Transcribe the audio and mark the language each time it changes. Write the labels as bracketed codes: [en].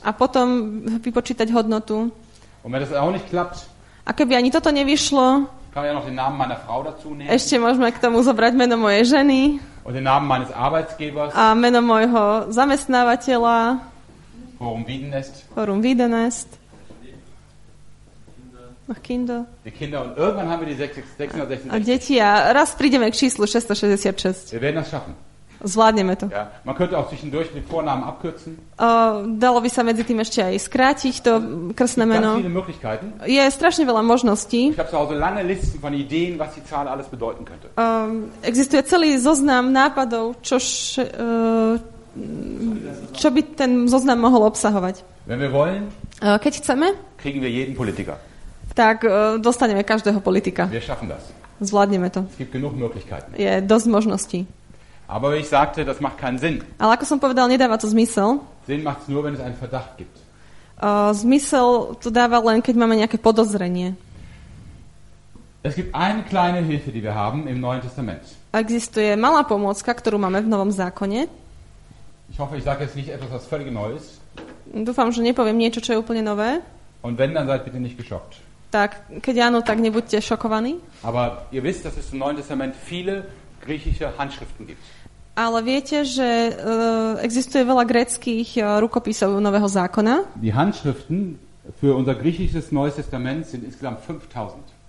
[sk] A potom vypočítať hodnotu. [de] Und wenn das auch nicht klappt, [sk] a keby ani toto nevyšlo, [de] kann ja noch den Namen meiner Frau dazu nehmen. [sk] Ešte môžeme k tomu zobrať meno mojej ženy. [de] Und den Namen meines Arbeitsgebers. [sk] A meno mojho zamestnávateľa. [de] Forum Wiedenest. [sk] Forum Wiedenest. [de] Noch Kinder. Die Kinder und irgendwann haben wir die 666. [sk] A deti a raz prídeme k číslu 666. [de] Wir werden das schaffen. [sk] Zvládneme to. [de] Ja, man könnte auch zwischendurch den Vornamen abkürzen. [sk] Dalo by sa medzi tým ešte aj skrátiť to krstné meno. Je strašne veľa možností. [de] Ich habe so also lange Listen von Ideen, was die Zahl alles bedeuten könnte. [sk] Existuje celý zoznam nápadov, čo by ten zoznam mohol obsahovať. [de] Wenn wir wollen, [sk] keď chceme, [de] kriegen wir jeden Politiker. [sk] Tak dostaneme každého politika. [de] Wir schaffen das. [sk] Zvládneme to. [de] Es gibt genug Möglichkeiten. [sk] Je dosť možností. [de] Aber ich sagte, das macht keinen Sinn. [sk] Ale ako som povedal, nedáva to zmysel. [de] Sinn macht's nur, wenn es einen Verdacht gibt. [sk] Zmysel to dáva len, keď máme nejaké podozrenie. [de] Es gibt eine kleine Hilfe, die wir haben im Neuen Testament. [sk] Existuje malá pomôcka, ktorú máme v Novom zákone. [de] Ich hoffe, ich sage jetzt nicht etwas, was völlig neu ist. [sk] Dúfam, že nepoviem niečo, čo je úplne nové. [de] Und wenn, dann seid bitte nicht geschockt. [sk] Tak, keď áno, tak nebuďte šokovaní. [de] Aber ihr wisst, dass es im Neuen Testament viele griechische Handschriften gibt. [sk] Ale viete, že existuje veľa gréckych rukopisov Nového zákona. [de] Die Handschriften für unser griechisches Neues Testament sind insgesamt 5000.